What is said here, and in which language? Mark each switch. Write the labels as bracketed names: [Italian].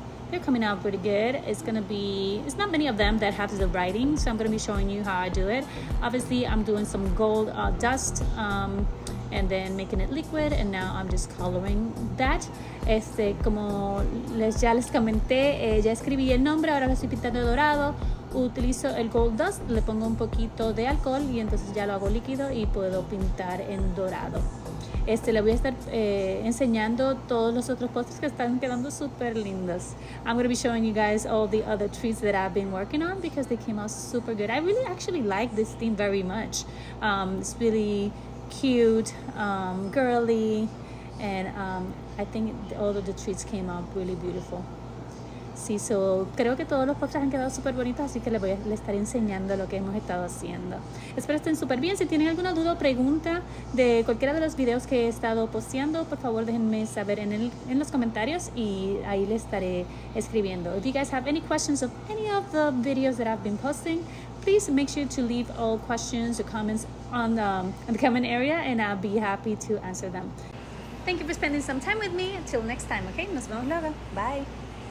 [English] They're coming out pretty good. It's not many of them that have the writing, so I'm gonna be showing you how I do it. Obviously, I'm doing some gold dust, and then making it liquid, and now I'm just coloring that. [Spanish] Como ya les comenté, ya escribí el nombre, ahora lo estoy pintando dorado. Utilizo el gold dust, le pongo un poquito de alcohol, y entonces ya lo hago líquido y puedo pintar en dorado. Le voy a estar enseñando todos los otros postres que están quedando super lindos. [English] I'm going to be showing you guys all the other treats that I've been working on because they came out super good. I really actually like this theme very much. It's really cute, girly, and I think all of the treats came out really beautiful. [Spanish] Sí, so creo que todos los postres han quedado súper bonitos, así que les voy a estar enseñando lo que hemos estado haciendo. Espero estén súper bien. Si tienen alguna duda o pregunta de cualquiera de los videos que he estado posteando, por favor déjenme saber en los comentarios y ahí les estaré escribiendo. [English] If you guys have any questions of any of the videos that I've been posting, please make sure to leave all questions or comments on the comment area, and I'll be happy to answer them. Thank you for spending some time with me. Until next time, okay? [Spanish] Nos vemos luego. [English] Bye.